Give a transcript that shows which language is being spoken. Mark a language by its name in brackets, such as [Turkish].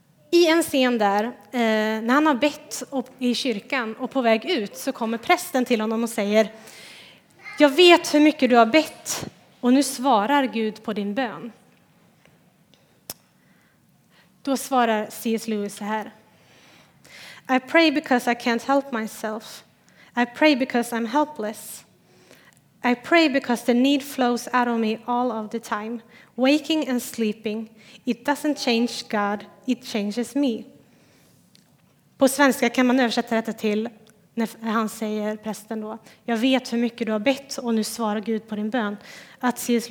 [Swedish] I en scen där, när han har bett i kyrkan och på väg ut, så kommer prästen till honom och säger: jag vet hur mycket du har bett och nu svarar Gud på din bön. Då svarar C.S. [English] Lewis [Swedish] så här: [English] I pray because I can't help myself. I pray because I'm helpless. I pray because the need flows out of me all of the time, waking and sleeping. It doesn't change God, it changes me. [Swedish] På svenska kan man översätta detta till, när han säger, prästen då: jag vet hur mycket du har bett och nu svarar Gud på din bön. Att C.S.